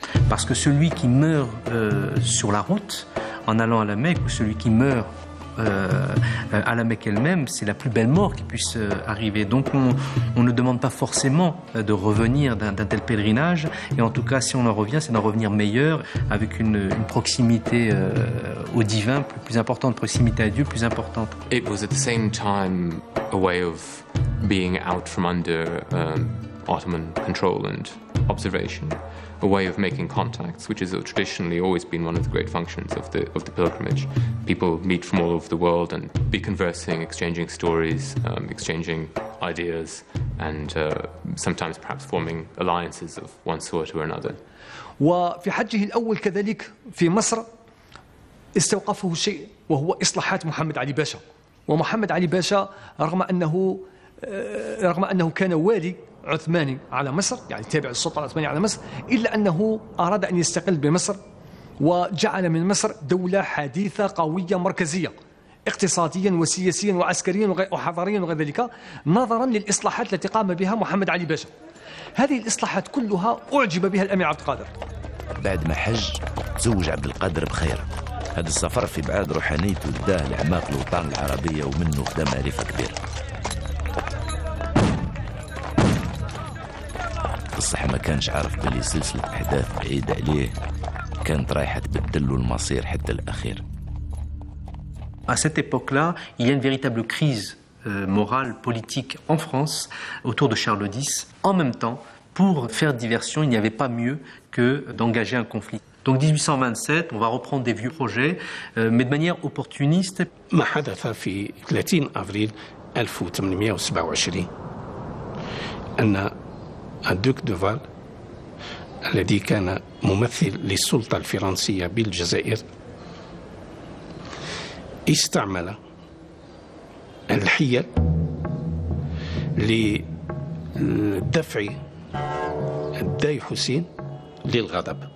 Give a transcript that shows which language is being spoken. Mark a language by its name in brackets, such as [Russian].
[French] Parce que celui qui meurt sur la route en allant à la Mecque ou celui qui meurt à la Mecque elle-même, c'est la plus belle mort qui puisse arriver. Donc on ne demande pas forcément de revenir d'un tel pèlerinage. Et en tout cas, si on en revient, c'est d'en revenir meilleur, avec une proximité au divin, plus importante, proximité à Dieu plus importante. [English] It was at the same time a way of being out from under Ottoman control and observation. A way of making contacts, which has traditionally always been one of the great functions of the pilgrimage. People meet from all over the world and be conversing, exchanging stories, exchanging ideas, and sometimes perhaps forming alliances of one sort or another. [Arabic] وفي حجه الأول كذلك في مصر استوقفه شيء وهو إصلاحات محمد علي باشا. ومحمد علي باشا رغم أنه كان والي عثماني على مصر يعني تابع السلطة العثمانية على مصر إلا أنه أراد أن يستقل بمصر وجعل من مصر دولة حديثة قوية مركزية اقتصاديا وسياسيا وعسكريا وحضاريا وغير ذلك نظرا للإصلاحات التي قام بها محمد علي باشا. هذه الإصلاحات كلها أعجب بها الأمير عبد القادر. بعد ما حج زوج عبد القادر بخير. هذا السفر في بعاد روحانيته وداه لعماق الوطن العربية ومنه خدم معرفة كبيرة. صح ما كانش عارف بلي سلسلة أحداث بعيدة عليه كانت رايحة تبدل له المصير حتى الأخير. [French] À cette époque-là, il y a une véritable crise morale, politique en France autour de Charles X. En même temps, pour faire diversion, il n'y avait pas mieux que d'engager un conflit. Donc 1827, on va reprendre des vieux projets, mais de manière opportuniste. [Arabic] ما حدث في 30 أفريل 1827 أن الدوك دوفال الذي كان ممثل للسلطة الفرنسية بالجزائر استعمل الحيل لدفع الداي حسين للغضب.